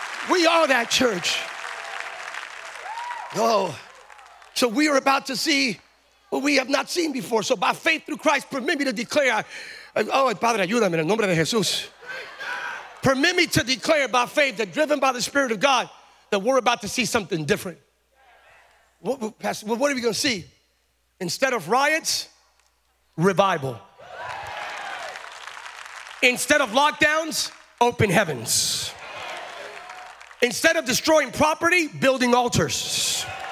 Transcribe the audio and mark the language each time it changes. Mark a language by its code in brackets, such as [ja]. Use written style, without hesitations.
[en] We are that church. Oh, so we are about to see what we have not seen before. So by faith through Christ, permit me to declare. [es] Padre, ayúdame en el nombre de Jesús. [en] Permit me to declare by faith that driven by the Spirit of God, that we're about to see something different. What are we going to see? Instead of riots, revival. Instead of lockdowns, open heavens. Instead of destroying property, building altars.